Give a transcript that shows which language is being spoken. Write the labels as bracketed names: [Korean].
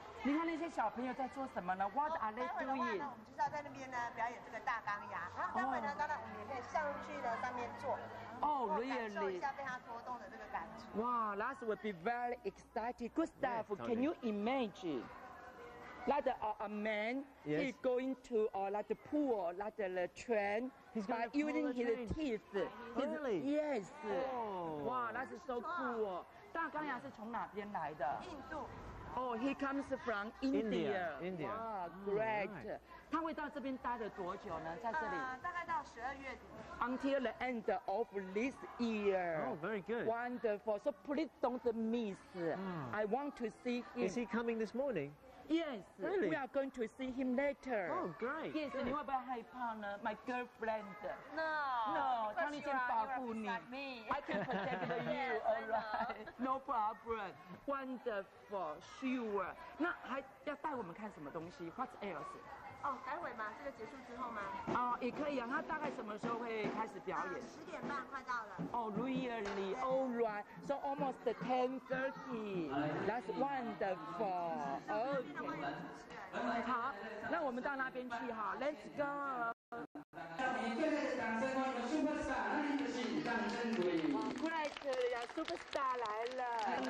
[Chinese] 你看那些小朋友在做什么呢? [English] What are they doing? [Chinese] 待会的话呢，我们就是要在那边呢表演这个大钢牙。然后待会呢，当然我们也可以上去的上面坐。 [English] Oh, really? [Chinese] 感受一下被它拖动的这个感觉。 [English] Wow, that would be very exciting. Gustav, yes, can you imagine? Like a man, yes. he's going to like the pool, like the train, he's by using his teeth. Really? His, yes. Oh. Wow, that's so cool. [Chinese] 大钢牙是从哪边来的？印度。 [English] Oh, he comes from India. India. Wow, great. Right. [Chinese] 他会到这边待了多久呢？在这里？大概到十二月底。 [English] Until the end of this year. Oh, very good. Wonderful. So please don't miss. I want to see him. Is he coming this morning? Yes,、 really? we are going to see him later. Oh, great. [Chinese] Yes, 你会不会害怕呢? [English] My girlfriend. No. No, Tony can [Chinese] 保护你. [English] I can protect you, all right. No problem. Wonderful, sure. [Chinese] 那还要带我们看什么东西? [English] What else? [Chinese] 哦，待会吗？这个结束之后吗？哦，也可以啊。那大概什么时候会开始表演？ 10:30，快到了。 [English] 哦 ，really? All right. So almost 10:30. That's wonderful. Okay. [Chinese] 好，那我们到那边去哈。 [English] Let's go. [Chinese] 让我们热烈的掌声欢迎 Superstar 李宇春、张震岳。 Great 呀 ，Superstar 来了。